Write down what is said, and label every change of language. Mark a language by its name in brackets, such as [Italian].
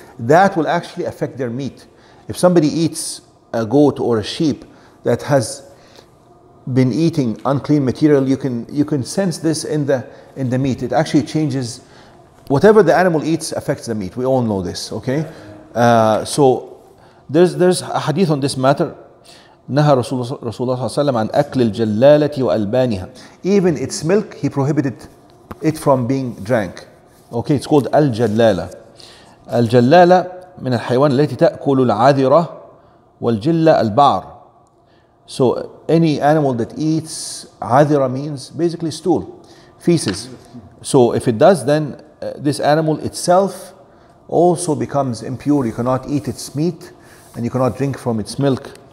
[English] That will actually affect their meat. If somebody eats a goat or a sheep that has been eating unclean material, you can sense this in the meat. It actually changes. Whatever the animal eats affects the meat. We all know this, okay? So there's a hadith on this matter. [Arabic] نهى رسول الله صلى الله عليه وسلم عن أكل الجلالة وألبانها. [English] Even its milk, he prohibited it from being drank. Okay, it's called الجلالة. [Arabic] الجلالة من الحيوان التي تأكل العذرة والجلة البعر. [English] So any animal that eats عذرة means basically stool, feces. So if it does, then this animal itself also becomes impure. You cannot eat its meat and you cannot drink from its milk.